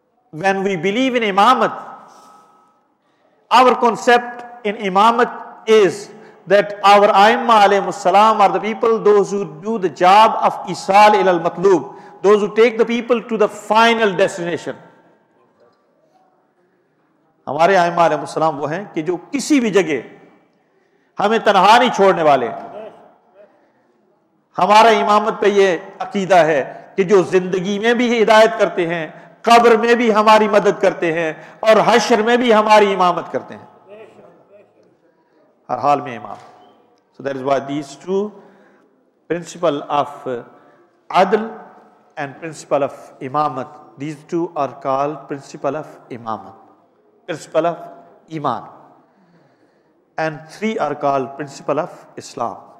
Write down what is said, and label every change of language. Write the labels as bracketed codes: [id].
[en] When we believe in imamat, our concept in imamat is that our a'imma alayhim as-salam are the people, those who do the job of isal ila al-matloob, those who take the people to the final destination. [ur] ہمارے آئمہ علیہ السلام وہ ہیں کہ جو کسی بھی جگہ ہمیں تنہا نہیں چھوڑنے والے. ہمارا امامت پہ یہ عقیدہ ہے کہ جو زندگی میں بھی ہدایت کرتے ہیں, قبر میں بھی ہماری مدد کرتے ہیں, اور حشر میں بھی ہماری امامت کرتے ہیں, ہر حال میں امام. [en] So that is why these two principle of عدل and principle of امامت, these two are called principle of امامت, principle of iman, and three are called principle of Islam.